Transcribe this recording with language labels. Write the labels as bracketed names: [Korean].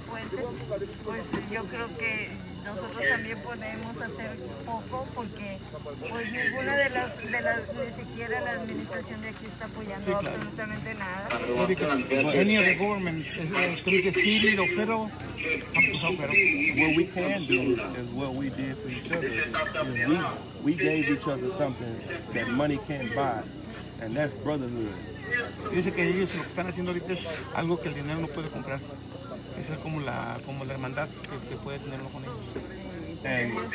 [Spanish] Pues yo creo que nosotros también podemos hacer poco porque pues ninguna de las ni siquiera la administración de aquí está apoyando absolutamente nada. [English] Because any of the government, through the city or federal. What we can do is what we did for each other. Is we gave each other something that money can't buy, and that's brotherhood. [Spanish] Dice que ellos lo que están haciendo ahorita es algo que el dinero no puede comprar. Esa es como la hermandad que puede tenerlo con ellos.